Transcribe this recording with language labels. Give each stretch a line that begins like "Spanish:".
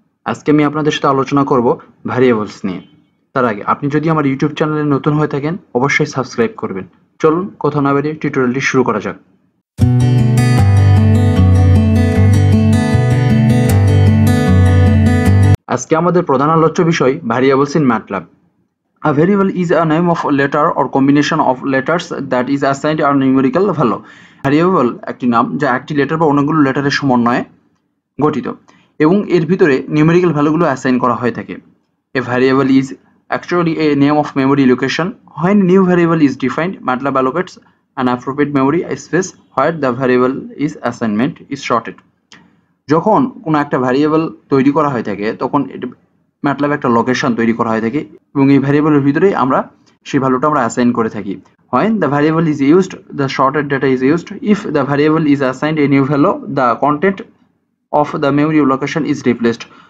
Bangla: আজকে আমি আপনাদের সাথে আলোচনা করব ভ্যারিয়েবলস নিয়ে। তার আগে আপনি যদি আমার ইউটিউব চ্যানেলে নতুন হয়ে থাকেন অবশ্যই সাবস্ক্রাইব করবেন। চলুন কথা না বাড়িয়ে টিউটোরিয়ালটি শুরু করা যাক। আজকে আমাদের প্রধান আলোচ্য বিষয়
English: Variables in MATLAB. A variable is a name of letter or combination of letters that is assigned a numerical value.
Bangla: Variable একটি নাম যা একটি letter বা অনেকগুলো letter এর সমন্বয়ে গঠিত এবং এর ভিতরে numerical value গুলো assign করা হয়ে থাকে।
English: A variable is actually a name of memory location. When new variable is defined, MATLAB allocates an appropriate memory space where the variable is assignment is sorted.
Bangla: যখন কোনো একটা variable তৈরি করা হয়ে থাকে তখন ম্যাটল্যাব একটা লোকেশন তৈরি করা হয়ে থাকে এবং এই ভ্যারিয়েবলের ভিতরে আমরা সেই ভ্যালুটা আমরা অ্যাসাইন করে থাকি।
English: When the variable is used the stored data is used, if the variable is assigned a new value the content of the memory location is replaced.